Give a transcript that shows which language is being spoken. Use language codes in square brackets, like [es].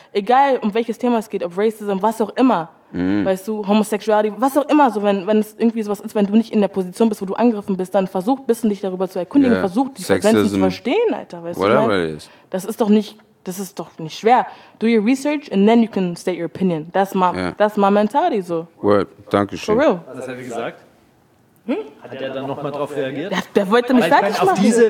[de] Egal, um welches Thema es geht, ob Racism, was auch immer, weißt du, Homosexuality, was auch immer, so, wenn es irgendwie sowas ist, wenn du nicht in der Position bist, wo du angegriffen bist, dann versuch ein bisschen, dich darüber zu erkundigen, versuch die Sexism, Grenzen zu verstehen, Alter, weißt du, [en] whatever it is. [de] Das ist doch nicht schwer. [en] Do your research and then you can state your opinion. That's my mentality, so. [de] Word, danke schön. [en] For real. [de] Was hat er gesagt? Hat er dann nochmal drauf reagiert? Der wollte mich fertig machen.